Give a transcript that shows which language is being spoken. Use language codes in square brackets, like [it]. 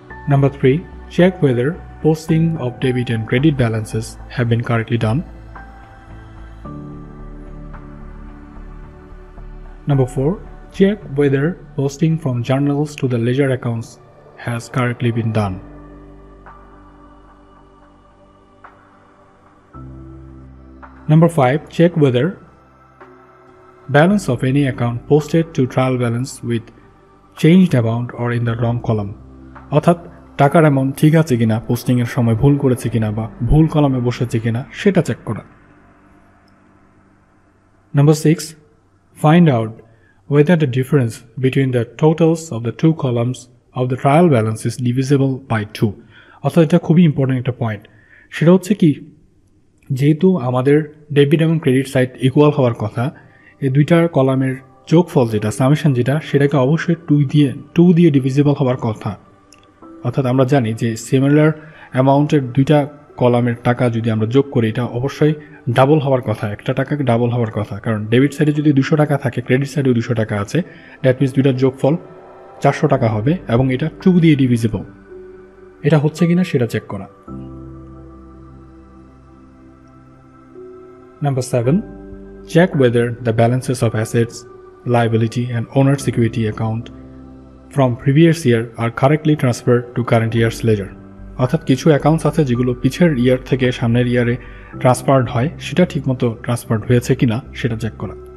[en] Number three, check whether posting of debit and credit balances have been correctly done. Number four, check whether posting from journals to the ledger accounts has correctly been done. Number 5, check whether balance of any account posted to trial balance with changed amount or in the wrong column. [bn] অর্থাৎ টাকার amount ঠিক আছে কিনা, পোস্টিংয়ের সময় ভুল করেছে কিনা বা ভুল কলামে বসেছে কিনা সেটা চেক করা। [en] Number 6, find out whether the difference between the totals of the two columns of the trial balance is divisible by 2. [bn] অর্থাৎ এটা খুবই ইম্পর্টেন্ট একটা পয়েন্ট, সেটা হচ্ছে কি, যেহেতু আমাদের ডেবিট এবং ক্রেডিট সাইড ইকুয়াল হওয়ার কথা, এই দুইটার কলামের যোগফল যেটা, সামেশন যেটা, সেটাকে অবশ্যই টু দিয়ে ডিভিজিবল হওয়ার কথা। অর্থাৎ আমরা জানি যে সিমিলার অ্যামাউন্টের দুইটা কলামের টাকা যদি আমরা যোগ করি এটা অবশ্যই ডাবল হওয়ার কথা, একটা টাকা ডাবল হওয়ার কথা, কারণ ডেবিট সাইডে যদি 200 টাকা থাকে, ক্রেডিট সাইডেও 200 টাকা আছে, [en] that means [bn] দুইটার যোগফল 400 টাকা হবে এবং এটা টু দিয়ে ডিভিজিবল। এটা হচ্ছে কি না সেটা চেক করা। [en] Number 7, check whether the balances of assets, liability and owner security account from previous year are correctly transferred to current year's ledger. [bn] অর্থাৎ কিছু অ্যাকাউন্টস আছে যেগুলো পিছের ইয়ার থেকে সামনের ইয়ারে ট্রান্সফারড হয়, সেটা ঠিকমতো ট্রান্সফারড হয়েছে কিনা সেটা চেক করা।